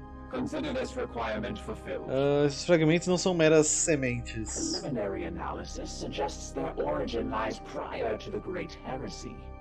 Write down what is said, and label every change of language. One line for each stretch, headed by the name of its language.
English: Consider this requirement fulfilled.
Portuguese: Esses fragmentos não são meras sementes.
English: Preliminary analysis suggests their origin lies prior to the Great Heresy.